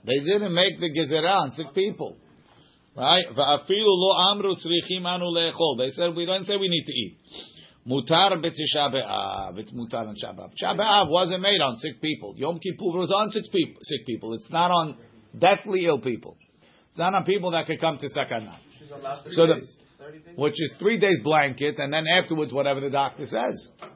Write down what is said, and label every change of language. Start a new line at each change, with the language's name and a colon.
English: They didn't make the gezera on sick people.
Hebrew: ואפילו לא אמרו צריכים אנו לאכול.
English: They said, we don't say we need to eat.
Hebrew: Mutar b'tisha be'av.
English: It's mutar on Shabbat. Shabbat wasn't made on sick people. Yom Kippur was on sick people. It's not on deathly ill people. It's not on people that could come to Sakana. So the, which is 3 days blanket, and then afterwards whatever the doctor says.